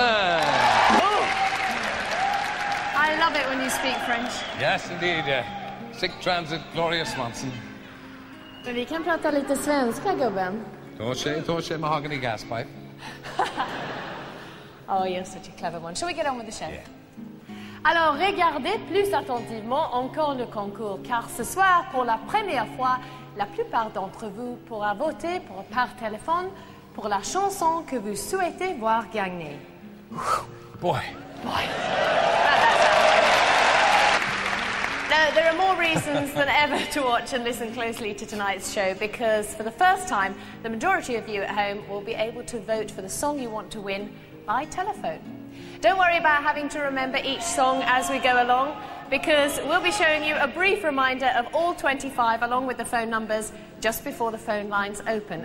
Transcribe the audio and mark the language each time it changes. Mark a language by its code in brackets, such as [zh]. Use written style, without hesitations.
[en] Oh. I love it when you speak French. Yes, indeed. Sick transit, Gloria Swanson. [sv] Men vi kan prata lite svenska, gubben. Torsche, mahogany gaspipe. [en] Oh, you're such a clever one. Shall we get on with the show? Yeah. [fr] Alors, regardez plus attentivement encore le concours, car ce soir, pour la première fois, la plupart d'entre vous pourra voter pour, par téléphone pour la chanson que vous souhaitez voir gagner. [en] Boy. Now, there are more reasons than ever to watch and listen closely to tonight's show because, for the first time, the majority of you at home will be able to vote for the song you want to win by telephone. Don't worry about having to remember each song as we go along because we'll be showing you a brief reminder of all 25 along with the phone numbers just before the phone lines open.